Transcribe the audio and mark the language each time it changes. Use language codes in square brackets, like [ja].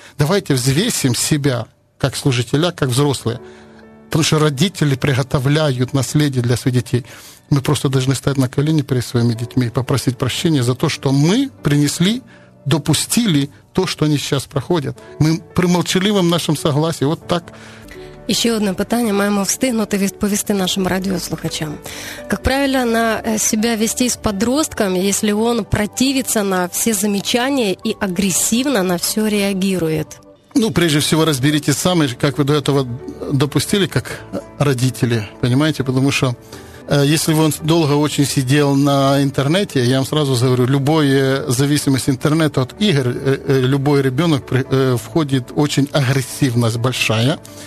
[ru] Давайте взвесим себя, как служителя, как взрослые. Потому что родители приготовляют наследие для своих детей. Мы просто должны стать на колени перед своими детьми и попросить прощения за то, что мы принесли, допустили то, что они сейчас проходят. Мы при молчаливом нашем согласии, вот так... И еще одно [uk] питание, маємо встигнути відповісти нашим радіослухачам. [ru] Как правильно на себя вести с подростком, если он противится на все замечания и агрессивно на все реагирует? Прежде всего, разберитесь сами, как вы до этого допустили, как родители, понимаете? Потому что если бы он долго очень сидел на интернете, я вам сразу говорю, любая зависимость интернета от игр, любой ребенок входит очень агрессивность большая.